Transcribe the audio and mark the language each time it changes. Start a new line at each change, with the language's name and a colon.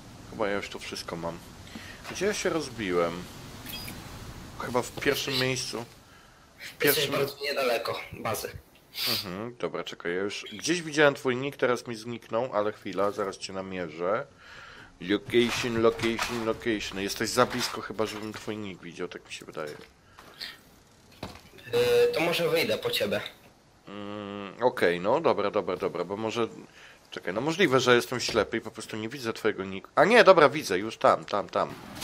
Polish: Chyba ja już tu wszystko mam. Gdzie ja się rozbiłem? Chyba w pierwszym miejscu. Jesteś bardzo niedaleko bazy. Dobra, czekaj, ja już gdzieś widziałem twój nick, teraz mi zniknął, ale chwila, zaraz cię namierzę.
English: Location, location, location.
Polish: Jesteś za blisko chyba, żebym twój nick widział, tak mi się wydaje. To może wyjdę po ciebie. Okej, okay, no dobra, dobra, dobra, bo może... Czekaj, no możliwe, że jestem ślepy i po prostu nie widzę twojego nicku. A nie, dobra, widzę, już tam, tam, tam.